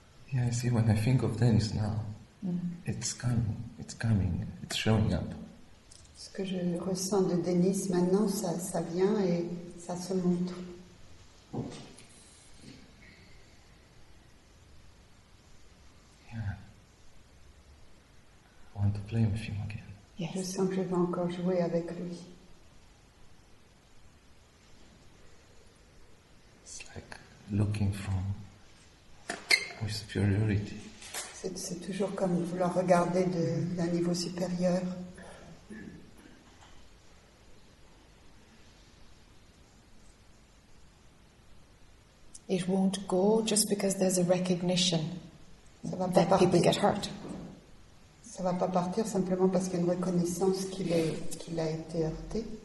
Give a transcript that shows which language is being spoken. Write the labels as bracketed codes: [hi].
[en] Yeah, I see, when I think of Dennis now, it's coming, it's showing up. [fr] Ce que je ressens de Dennis maintenant, ça vient et ça se montre. [en] Yeah. I want to play with him again. Yes. [fr] Je sens que je vais encore jouer avec lui. [en] It's like looking from. Superiority. [fr] C'est toujours comme vouloir regarder d'un niveau supérieur. [en] It won't go just because there's a recognition that people get hurt. [fr] Ça va pas partir simplement parce qu'il y a une reconnaissance qu'il a été heurté.